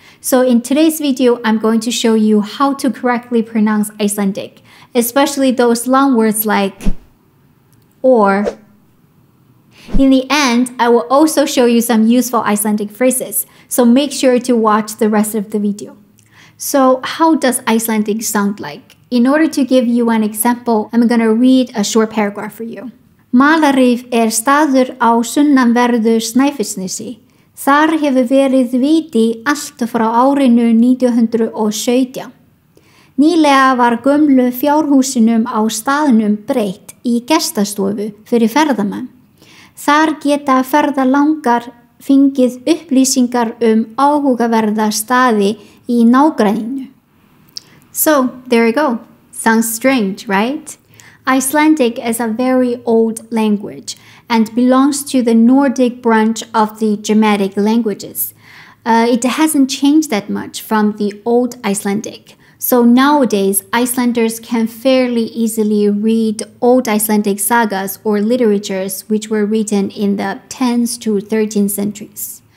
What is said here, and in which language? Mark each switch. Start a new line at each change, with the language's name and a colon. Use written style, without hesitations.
English: So in today's video, I'm going to show you how to correctly pronounce Icelandic, especially those long words like or. In the end, I will also show you some useful Icelandic phrases, so make sure to watch the rest of the video. So how does Icelandic sound like? In order to give you an example, I'm going to read a short paragraph for you.
Icelandic: Malarif staður á sunnanverðu Snæfellsnesi. Þar hefur verið viti allt frá árinu 1917. Nýlega var gömlu fjárhúsinum á staðnum breytt í gestastofu fyrir ferðamenn. Þar geta ferðalangar fengið upplýsingar áhugaverða staði í nágrenninu.
English: So, there you go. Sounds strange, right? Icelandic is a very old language and belongs to the Nordic branch of the Germanic languages. It hasn't changed that much from the old Icelandic. So nowadays, Icelanders can fairly easily read old Icelandic sagas or literatures which were written in the 10th to 13th centuries.